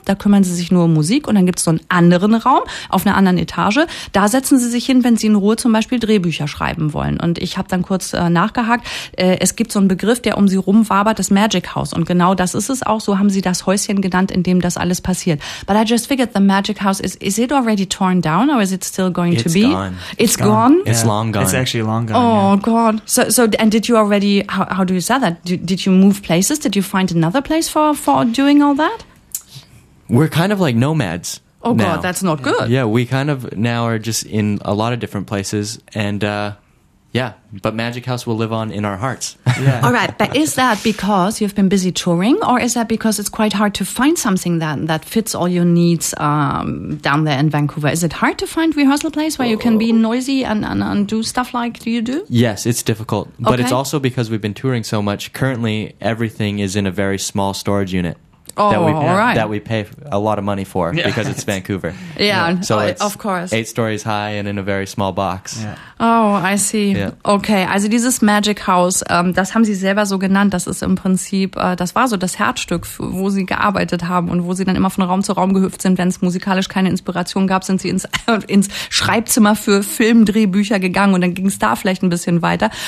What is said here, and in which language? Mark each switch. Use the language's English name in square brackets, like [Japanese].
[German] Da kümmern Sie sich nur um Musik, und dann gibt es so einen anderen Raum auf einer anderen Etage. Da setzen Sie sich hin, wenn Sie in Ruhe zum Beispiel Drehbücher schreiben wollen. Und ich habe dann kurz nachgehakt. Es gibt so einen Begriff, der um Sie rumwabert, das Magic House. Und genau das ist es auch. So haben Sie das Häuschen genannt, in dem das alles passiert. [English] But I just figured, the Magic House, is it already torn down, or is it still going it's to be? Gone. It's gone. Yeah. It's long gone. It's actually long gone. Oh, yeah. God. So, and did you already, how do you say that? Did you move places? Did you find another place for doing all that? We're kind of like nomads. Oh, now. God, that's not good. Yeah, we kind of now are just in a lot of different places. And but Magic House will live on in our hearts. Yeah. All right, but is that because you've been busy touring, or is that because it's quite hard to find something that fits all your needs down there in Vancouver? Is it hard to find rehearsal place where you can be noisy and do stuff like you do? Yes, it's difficult. But okay. It's also because we've been touring so much. Currently, everything is in a very small storage unit. Oh, that we, all right. That we pay a lot of money for, yeah. Because it's Vancouver. Yeah, so it's of course. 8 stories high and in a very small box. Yeah. Oh, I see. Yeah. [German] Okay, also dieses Magic House, das haben Sie selber so genannt, das ist im Prinzip, das war so das Herzstück, wo Sie gearbeitet haben und wo Sie dann immer von Raum zu Raum gehüpft sind. Wenn es musikalisch keine Inspiration gab, sind Sie ins Schreibzimmer für Filmdrehbücher gegangen, und dann ging es da vielleicht ein bisschen weiter.